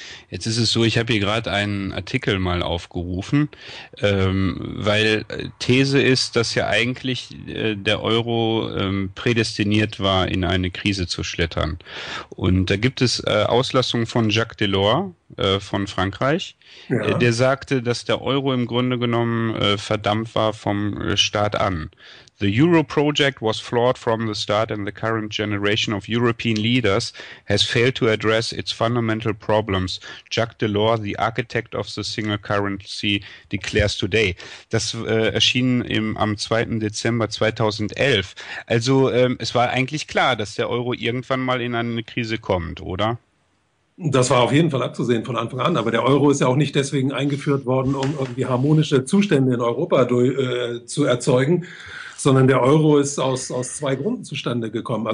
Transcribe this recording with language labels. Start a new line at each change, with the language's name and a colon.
German: Jetzt ist es so, ich habe hier gerade einen Artikel mal aufgerufen, weil These ist, dass ja eigentlich der Euro prädestiniert war, in eine Krise zu schlittern. Und da gibt es Auslassungen von Jacques Delors von Frankreich, ja. Der sagte, dass der Euro im Grunde genommen verdammt war vom Start an.
English: The Euro project was flawed from the start and the current generation of European leaders has failed to address its fundamental problems. Jacques Delors, the architect of the single currency, declares today.
German: Das erschien am 2. Dezember 2011. Also es war eigentlich klar, dass der Euro irgendwann mal in eine Krise kommt, oder? Das war auf jeden Fall abzusehen von Anfang an, aber der Euro ist ja auch nicht deswegen eingeführt worden, um irgendwie harmonische Zustände in Europa zu erzeugen, sondern der Euro ist aus zwei Gründen zustande gekommen.